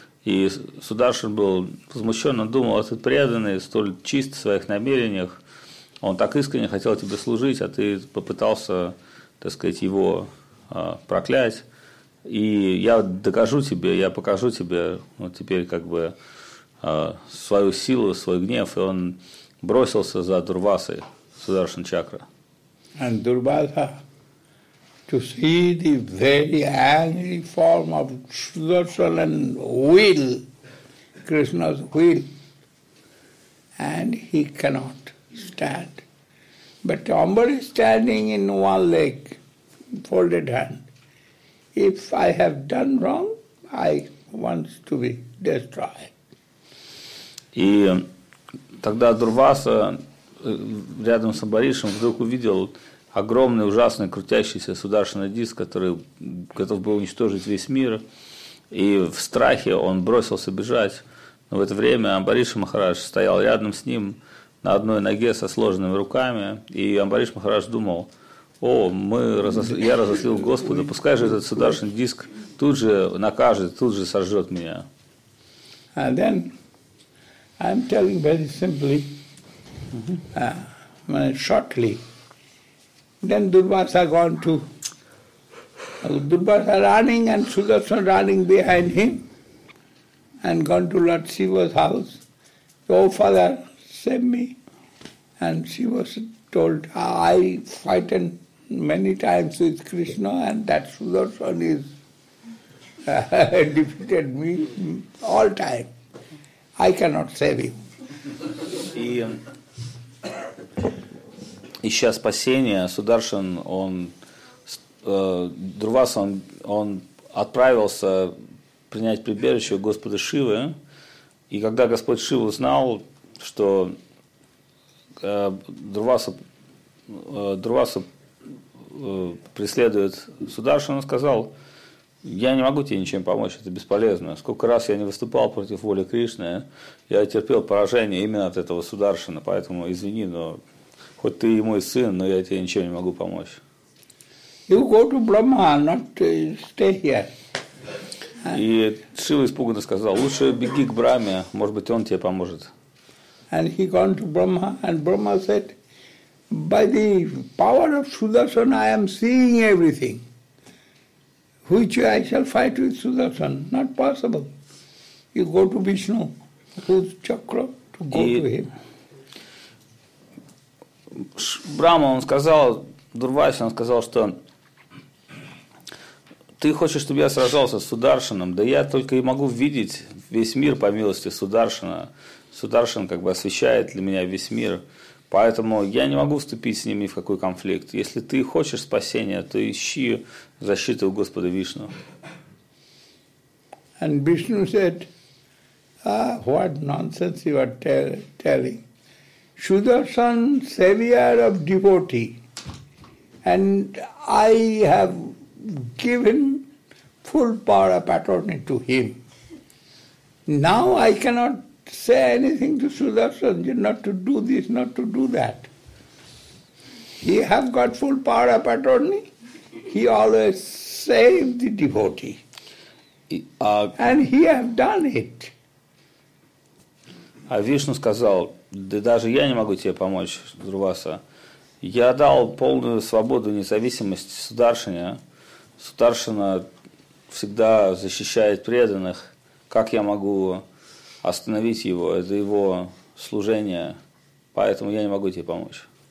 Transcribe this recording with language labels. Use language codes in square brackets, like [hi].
[ru] И Сударшан был возмущен, он думал, этот преданный столь чист в своих намерениях, он так искренне хотел тебе служить, а ты попытался, так сказать, его проклять. И я докажу тебе, я покажу тебе вот теперь как бы свою силу, свой гнев. И он бросился за Дурвасой, Сударшан чакра. [en] And Durvasa, to see the very angry form of Sudarshan and will, Krishna's will, and he cannot stand. But Ambarish standing in one leg, folded hand, if I have done wrong, I want to be destroyed. [ru] И тогда Дурваса рядом с Амбаришем вдруг увидел огромный, ужасный, крутящийся сударшинный диск, который готов был уничтожить весь мир. И в страхе он бросился бежать. Но в это время Амбариш Махарадж стоял рядом с ним на одной ноге со сложенными руками. И Амбариш Махарадж думал, о, я разозлил Господа, пускай же этот сударшинный диск тут же накажет, тут же сожжет меня. [en] I'm telling very simply, shortly. Then Durvasa gone to, Durvasa running and Sudarshan running behind him and gone to Lord Shiva's house. Oh, Father, save me. And Shiva told, I fighten many times with Krishna and that Sudarshan is defeated me all time. I cannot save him. [ru] И ища спасения, Сударшан, он, Дурваса, он отправился принять прибежище у Господа Шивы, И когда Господь Шива узнал, что Дурвасу преследует Сударшан, он сказал: «Я не могу тебе ничем помочь, это бесполезно. Сколько раз я не выступал против воли Кришны, я терпел поражение именно от этого Сударшана, поэтому извини, но хоть ты и мой сын, но я тебе ничем не могу помочь». И Шива испуганно сказал: «Лучше беги к Брахме, может быть, он тебе поможет». [en] And he gone to Brahma, and Brahma said, by the power of Sudarshan, I am seeing everything. Which way I shall fight with Sudarshan? Not possible. You go to Vishnu, whose chakra, to go to him. [ru] Брахма, он сказал, Дурвасе, он сказал, что ты хочешь, чтобы я сражался с Сударшаном, да я только и могу видеть весь мир по милости Сударшана. Сударшан как бы освещает для меня весь мир, поэтому я не могу вступить с ними в какой конфликт. Если ты хочешь спасения, то ищи защиты у Господа Вишну. [en] And Vishnu said, what nonsense you are telling. Sudarshan, savior of devotee, and I have given full power of attorney to him. Now I cannot say anything to Sudarshan, not to do this, not to do that. He have got full power of attorney. He always saved the devotee. And he have done it. [ru] А Вишну сказал: да даже я не могу тебе помочь, Дурваса. Я дал полную свободу, независимость Сударшане. Сударшана всегда защищает преданных. Как я могу остановить его, это его служение, поэтому я не могу тебе помочь.